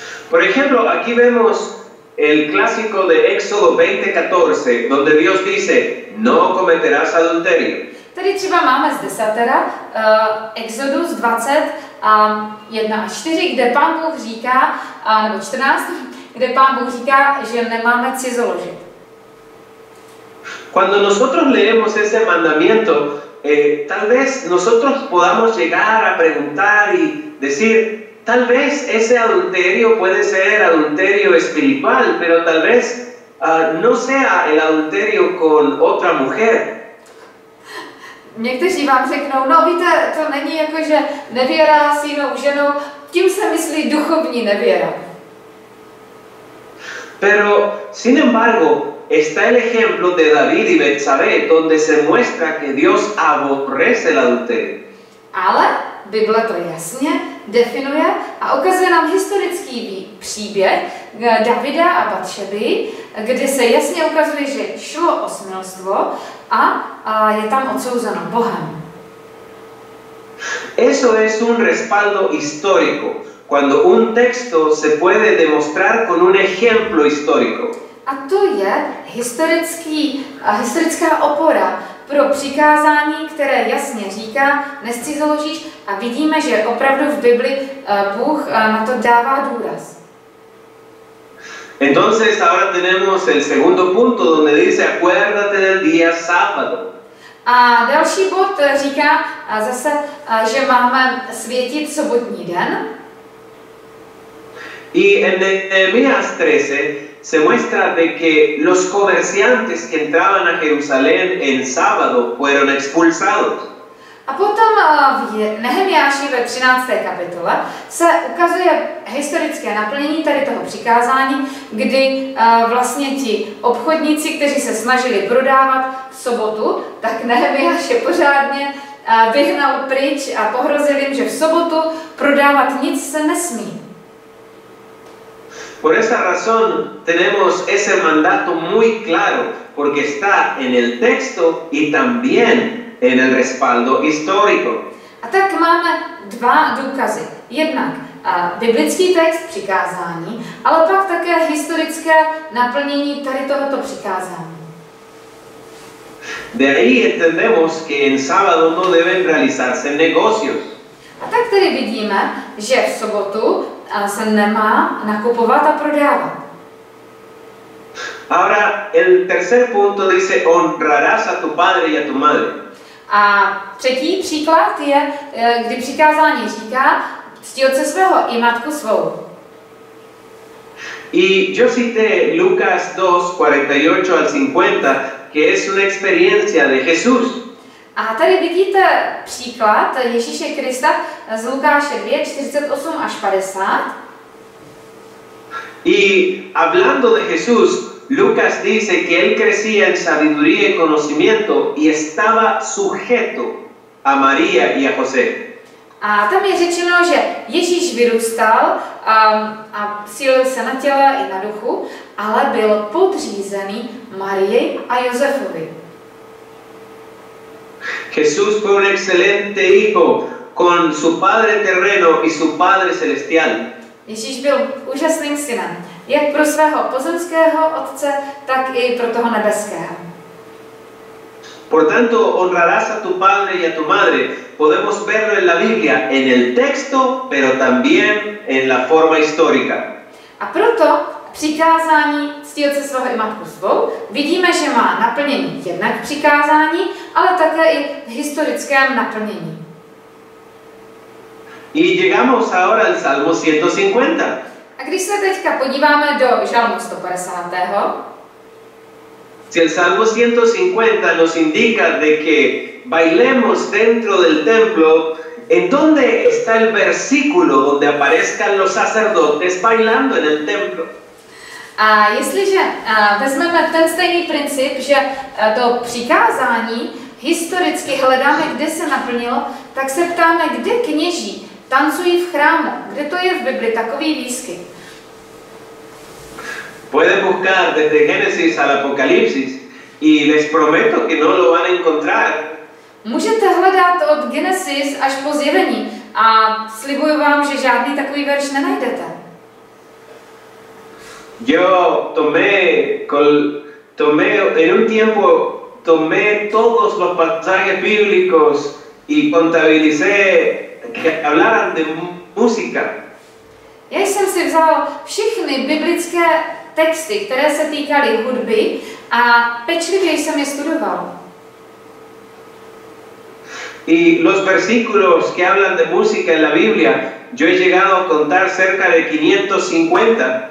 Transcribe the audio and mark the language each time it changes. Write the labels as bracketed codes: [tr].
[es] Por ejemplo, aquí vemos el clásico de Éxodo 20:14, donde Dios dice: "No cometerás adulterio." [cs] Tady třeba máme z desatera Exodus 20 a 1 a 4, kde Pán Bůh říká, nebo 14, kde Pán Bůh říká, že nemáme cizoložit. [es] Cuando nosotros leemos ese mandamiento, tal vez nosotros podamos llegar a preguntar y decir, tal vez ese adulterio puede ser adulterio espiritual, pero tal vez no sea el adulterio con otra mujer. [cs] Někteří vám řeknou, no víte, to není jako, že nevěra s jinou ženou, tím se myslí duchovní nevěra. [es] Pero, sin embargo, está el ejemplo de David y Betsabé, donde se muestra que Dios aborrece el adulterio. [cs] Ale Bible to jasně definuje a ukazuje nám historický příběh Davida a Batšeby, kde se jasně ukazuje, že šlo o smilstvo a je tam odsouzeno Bohem. [es] Eso es un respaldo histórico, cuando un texto se puede demostrar con un ejemplo histórico. [cs] A to je historická opora pro přikázání, které jasně říká, nescizoložíš, a vidíme, že opravdu v Bibli Bůh na to dává důraz. [es] Entonces ahora tenemos el segundo punto donde dice acuérdate del día sábado. [cs] A další bod říká zase, že máme světit sobotní den. [es] Y en Nehemías 13 se muestra de que los comerciantes que entraban a Jerusalén en sábado fueron expulsados. [cs] A potom v Nehemiáši ve 13. kapitole se ukazuje historické naplnění tady toho přikázání, kdy vlastně ti obchodníci, kteří se snažili prodávat v sobotu, tak Nehemiáš je pořádně vyhnal pryč a pohrozil jim, že v sobotu prodávat nic se nesmí. [es] Por esa razón tenemos ese mandato muy claro, porque está en el texto y también en el respaldo histórico. [cs] A tak máme dva důkazy. Jednak biblický text přikázání, ale pak také historické naplnění tady tohoto přikázání. [es] De ahí entendemos que en sábado no deben realizarse negocios. [cs] A tak tedy vidíme, že v sobotu se nemá nakupovat a prodávat. [es] Ahora el tercer punto dice honrarás a tu padre y a tu madre. [cs] A třetí příklad je, kdy přikázání říká cti otce svého i matku svou. [es] Y yo cité Lucas 2:48-50, que es una experiencia de Jesús. [cs] A tady vidíte příklad Ježíše Krista z Lukáše 2:48-50. [es] Y hablando de Jesús, Lucas dice que él crecía en sabiduría y conocimiento y estaba sujeto a María y a José. [cs] A tam je řečeno, že Ježíš vyrůstal a sílil se na těle i na duchu, ale byl podřízený Marii a Josefovi. [es] Jesús fue un excelente hijo con su padre terreno y su padre celestial. [cs] Ježíš byl úžasným synem, jak pro svého pozemského otce, tak i pro toho nebeského. [es] Por tanto, honrarás a tu padre y a tu madre. Podemos verlo en la Biblia, en el texto, pero también en la forma histórica. [cs] A proto přikázání ctí otce svého i matku svou vidíme, že má naplnění jednak přikázání, ale také i v historickém naplnění. [es] Y llegamos ahora al Salmo 150. [cs] A když se teďka podíváme do Žalmu 150. [es] Si el Salmo 150 nos indica de que bailemos dentro del templo, ¿en dónde está el versículo donde aparezcan los sacerdotes bailando en el templo? [cs] A jestliže vezmeme ten stejný princip, že to přikázání historicky hledáme, kde se naplnilo, tak se ptáme, kde kněží tancují v chrámu, kde to je v Bibli takový výskyt? [es] Pueden buscar desde Génesis al Apocalipsis y les prometo que no lo van a encontrar. [cs] Můžete hledat od Genesis až po Zjevení a slibuju vám, že žádný takový verš nenajdete. [es] Yo tomé en un tiempo tomé todos los pasajes bíblicos y contabilicé que hablaran de música. [cs] Já jsem si vzal všechny biblické texty, které se týkaly hudby, a pečlivě jsem je studoval. [es] Y los versículos que hablan de música en la Biblia, yo he llegado a contar cerca de 550.